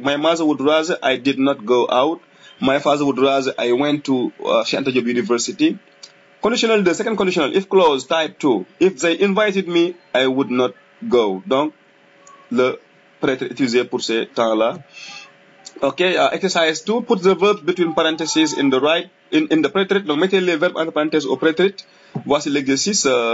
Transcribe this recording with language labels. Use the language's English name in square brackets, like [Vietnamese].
[English] My mother would rather I did not go out. My father would rather I went to Chianti Diop University. Conditional, the second conditional, if clause type 2. If they invited me, I would not go. [French] Donc, le prêtre utilisé pour ces temps-là. [English] Okay, exercise 2. Put the verb between parentheses in the right. In the préterite, [French] donc mettez les verbes entre parenthèses au préterite. Voici l'exercice.